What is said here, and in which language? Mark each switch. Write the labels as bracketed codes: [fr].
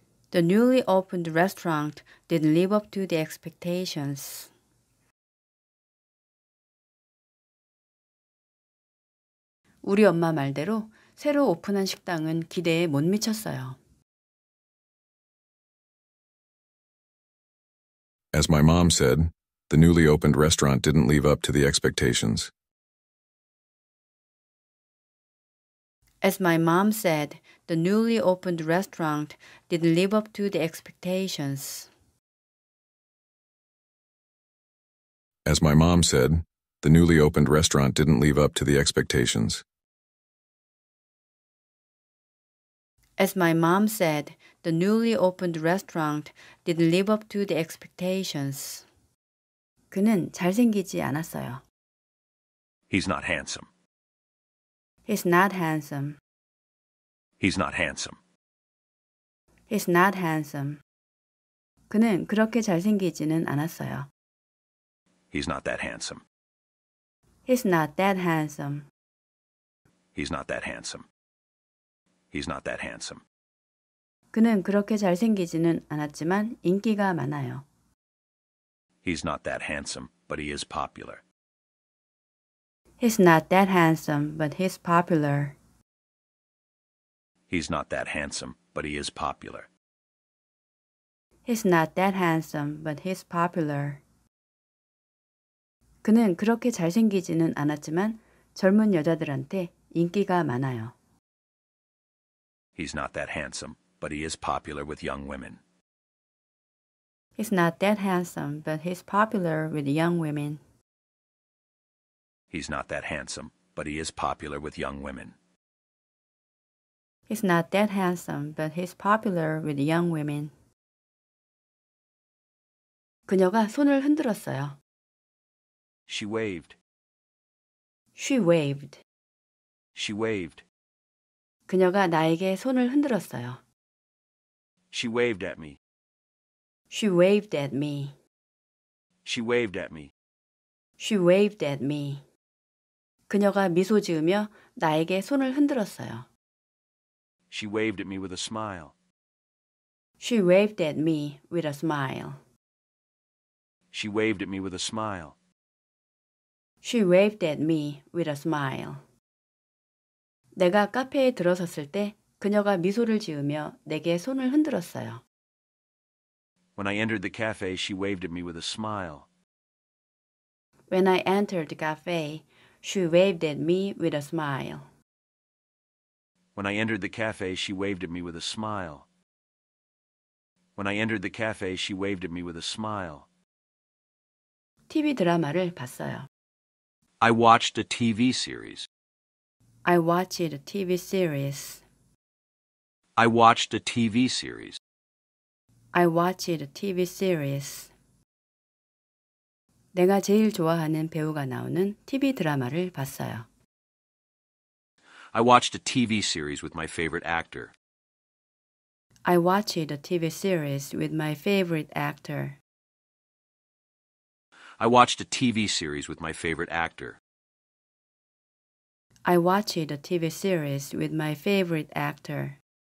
[en] The newly opened restaurant didn't live up to the expectations. [ko] 우리 엄마 말대로 새로 오픈한 식당은 기대에 못 미쳤어요. [en] As my mom said, the newly opened restaurant didn't live up to the expectations. As my mom said, the newly opened restaurant didn't live up to the expectations. As my mom said, the newly opened restaurant didn't live up to the expectations. As my mom said, the newly opened restaurant didn't live up to the expectations. [ko] 그는 잘생기지 않았어요. [en] He's not handsome. He's not handsome. He's not handsome. He's not handsome. [ko] 그는 그렇게 잘생기지는 않았어요. [en] He's not that handsome. He's not that handsome. He's not that handsome. He's not that handsome. [ko] 그는 그렇게 잘생기지는 않았지만 인기가 많아요. [en] He's not that handsome, but he is popular. He's not that handsome, but he's popular. He's not that handsome, but he is popular. He's not that handsome, but he's popular. [ko] 그는 그렇게 잘생기지는 않았지만 젊은 여자들한테 인기가 많아요. [en] He's not that handsome, but he is popular with young women. He's not that handsome, but he's popular with young women. He's not that handsome, but he is popular with young women. He's not that handsome, but he's popular with young women. [ko] 그녀가 손을 흔들었어요. [en] She waved. She waved. She waved. [ko] 그녀가 나에게 손을 흔들었어요. [en] She waved at me. She waved at me. She waved at me. She waved at me. [ko] 그녀가 미소 지으며 나에게 손을 흔들었어요. [en] She waved at me with a smile. She waved at me with a smile. She waved at me with a smile. She waved at me with a smile. [ko] 내가 카페에 들어섰을 때 그녀가 미소를 지으며 내게 손을 흔들었어요. [en] When I entered the cafe, she waved at me with a smile. When I entered the cafe, she waved at me with a smile. When I entered the cafe, she waved at me with a smile. When I entered the cafe, she waved at me with a smile. [ko] TV 드라마를 봤어요. [en] I watched a TV series. I watched a TV series. I watched a TV series. I watched a TV series. [ko] 내가 제일 좋아하는 배우가 나오는 TV 드라마를 봤어요. [en] I watched a TV series with my favorite actor. I watched a TV series with my favorite actor. I watched a TV series with my favorite actor. I watched a TV series with my favorite actor.